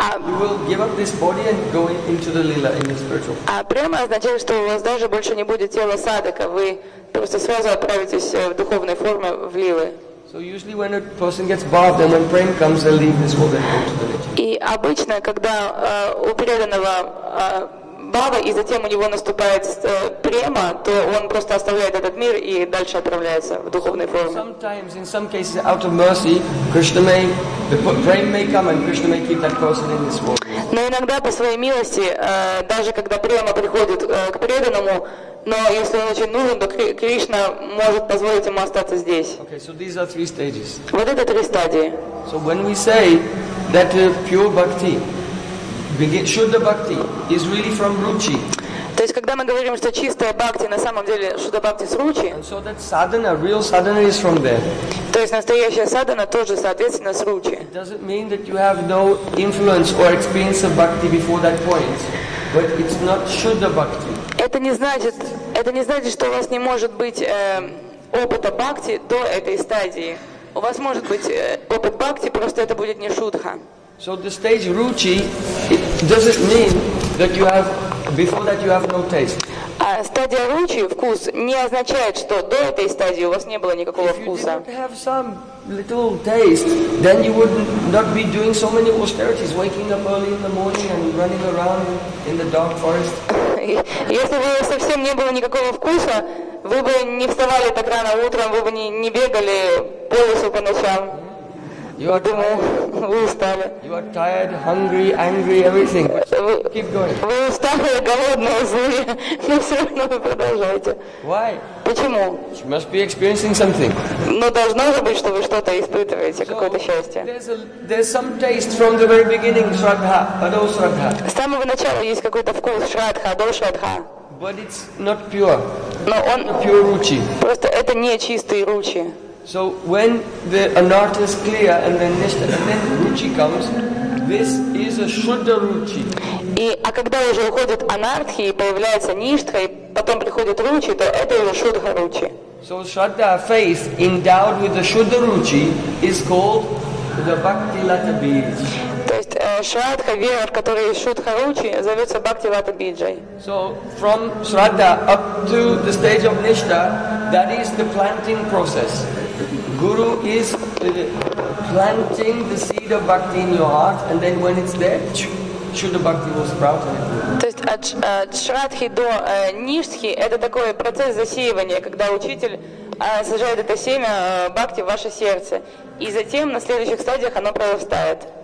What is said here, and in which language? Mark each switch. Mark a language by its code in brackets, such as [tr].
[en] You will give up this body and go into the lila, in the spiritual. [ru] А prem означает, что у вас даже больше не будет тела садака, вы просто сразу отправитесь в духовной форме в лилы. [en] So usually when a person gets bathed and when prem comes, they leave this world and go to the village. [ru] И обычно, когда у преданного бава и затем у него наступает према, то он просто оставляет этот мир и дальше отправляется в духовной форме. [en] Sometimes, in some cases, out of mercy, the prem may come and Krishna may keep that person in this world. [ru] Но иногда по своей милости, даже когда према приходит к преданному, но если он очень нужен, то Кришна может позволить ему остаться здесь. [en] Okay, so these are three stages. [ru] Вот это три стадии. [en] So when we say that pure bhakti, shuddha bhakti, is really from ruchi. [ru] То есть когда мы говорим, что чистая бхакти на самом деле шуддха бхакти с ручи. [en] And so that sadhana, real sadhana is from there. [ru] То есть настоящая садхана тоже соответственно с ручи. [en] It doesn't mean that you have no influence or experience of bhakti before that point, but it's not shuddha bhakti. [ru] Это не значит, что у вас не может быть опыта бхакти до этой стадии. У вас может быть опыт бхакти, просто это будет не шудха. [en] So the stage ruchi, it doesn't mean that you have before that you have no taste. [ru] А стадия ruchi, вкус, не означает, что до этой стадии у вас не было никакого вкуса. [en] If you didn't have some little taste, then you would not be doing so many austerities, waking up early in the morning and running around in the dark forest. [ru] Если бы совсем не было никакого вкуса, вы бы не вставали так рано утром, вы бы не бегали по лесу по ночам. [en] You are [ru] думаю, вы устали. [en] You are tired, hungry, angry, everything. Keep going. [ru] Вы устали, голодные, злые, но все равно вы продолжаете. [en] Why? [ru] Почему? [en] You must be experiencing something. [ru] Но должно же быть, что вы что-то испытываете, какое-то счастье. [en] There's some taste from the very beginning, shraddha, adho shraddha. [ru] С самого начала есть какой-то вкус, shraddha, adho shraddha. [en] But it's not pure. [ru] Но он [en] pure ruchi. [ru] Просто это не чистые ruchi. [en] So when the anartha is clear and then nishtha and then ruchi comes, this is a shuddha ruchi. [ru] И а когда уже уходит анартхи и появляется ништха и потом приходит ручи, то это уже шуддха ручи. [en] So shuddha, faith endowed with the shuddha ruchi is called the bhakti lata bija. [ru] То есть shraddha, вера, в которой есть шуддха ручи, зовется bhakti lata bija. [en] So from shraddha up to the stage of nishtha, that is the planting process. Guru is planting the seed of bhakti in your heart, and then when it's there, shuddha bhakti will sprout in it. [ru] То есть от шрадхи до ништхи это такой процесс засеивания, когда учитель сажает это семя бхакти в ваше сердце, и затем на следующих стадиях оно прорастает.